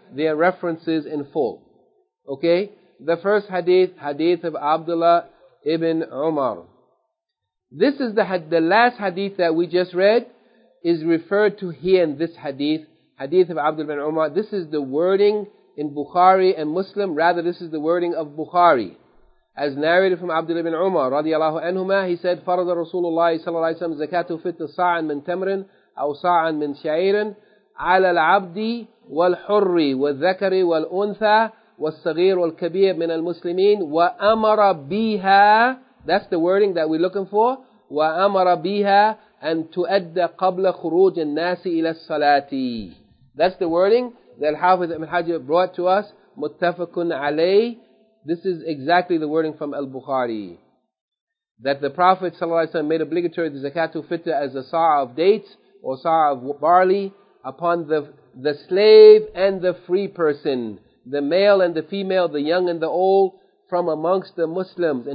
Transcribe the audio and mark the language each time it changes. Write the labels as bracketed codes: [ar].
[en] There are references in full, okay? The first hadith, hadith of Abdullah ibn Umar. This is the last hadith that we just read, is referred to here in this hadith, hadith of Abdullah ibn Umar. This is the wording in Bukhari and Muslim, rather this is the wording of Bukhari. As narrated from Abdullah ibn Umar, radiallahu anhuma, he said, [ar] فَرَضَ رَسُولُ اللَّهِ صَلَّى اللَّهِ وَسَلَّمَ زَكَاتُ فِتْنَ صَاعًا مِنْ تَمْرٍ أَوْ صَاعًا مِنْ شَعِيرٍ عَلَى الْعَبْدِ وَالْحُرِّ وَالذَّكَرِ وَالْأُنْثَى والصغير والكبير من المسلمين وأمر بها. [en] That's the wording that we're looking for. [ar] وأمر بها أن تؤدى قبل خروج الناس إلى الصلاة. [en] That's the wording that Al-Hafiz Ibn Hajar brought to us. [ar] متفقٌ عليه. [en] This is exactly the wording from Al-Bukhari. That the Prophet صلى الله عليه وسلم made obligatory the zakatu fitr as a sa'a of dates or sa'a of barley upon the slave and the free person, the male and the female, the young and the old, from amongst the Muslims.